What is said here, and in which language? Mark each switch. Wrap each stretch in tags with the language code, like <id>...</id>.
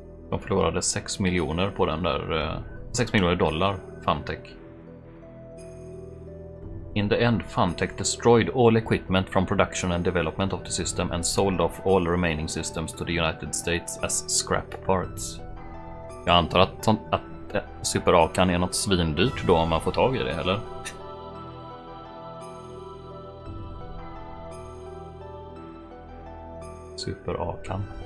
<sv>De förlorade 6 miljoner på den där, 6 miljoner dollar, Funtech.</sv> <en>In the end, Funtech destroyed all equipment from production and development of the system and sold off all remaining systems to the United States as scrap parts.</en> <sv>Jag antar att Super A-kan är något svindyrt då om man får tag i det, eller? Super A-kan.</sv>